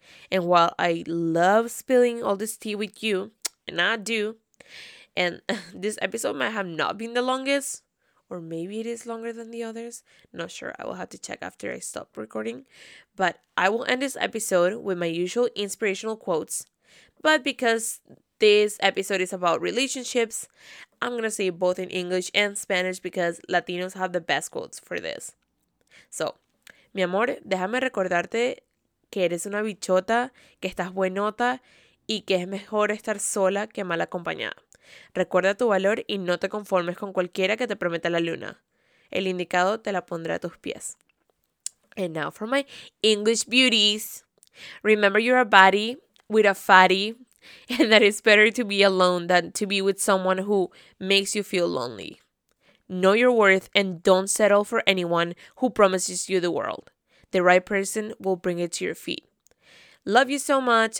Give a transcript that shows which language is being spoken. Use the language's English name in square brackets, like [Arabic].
[English] And while I love spilling all this tea with you, and I do, and this episode might have not been the longest, or maybe it is longer than the others. Not sure. I will have to check after I stop recording. But I will end this episode with my usual inspirational quotes. But because this episode is about relationships, I'm going to say both in English and Spanish, because Latinos have the best quotes for this. [Spanish] So, mi amor, déjame recordarte que eres una bichota, que estás buenota y que es mejor estar sola que mal acompañada. Recuerda tu valor y no te conformes con cualquiera que te prometa la luna. El indicado te la pondrá a tus pies. [English] And now for my English beauties. Remember, you're a baddie with a fatty, and that it's better to be alone than to be with someone who makes you feel lonely. Know your worth and don't settle for anyone who promises you the world. The right person will bring it to your feet. Love you so much.